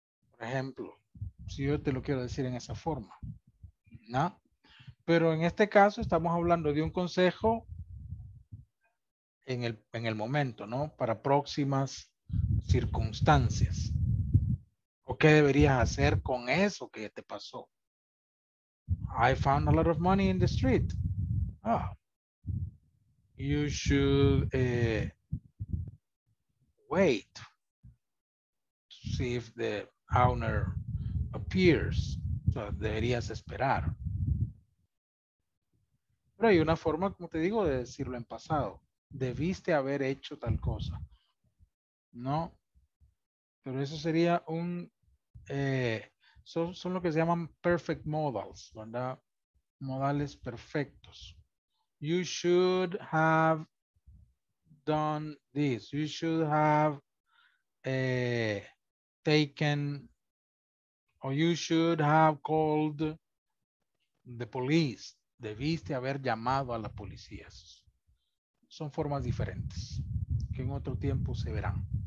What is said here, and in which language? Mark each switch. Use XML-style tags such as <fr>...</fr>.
<es>Por ejemplo, si yo te lo quiero decir en esa forma, ¿no? Pero en este caso estamos hablando de un consejo en el momento, ¿no? Para próximas circunstancias. ¿O qué deberías hacer con eso que te pasó?</es> <en>I found a lot of money in the street. Ah, you should wait to see if the owner appears.</en> <es>So deberías esperar. Pero hay una forma, como te digo, de decirlo en pasado. Debiste haber hecho tal cosa. No. Pero eso sería un son lo que se llaman perfect modals, ¿verdad? Modales perfectos.</es> <en>You should have done this. You should have taken, or you should have called the police.</en> <es>Debiste haber llamado a las policías. Son formas diferentes que en otro tiempo se verán.</es>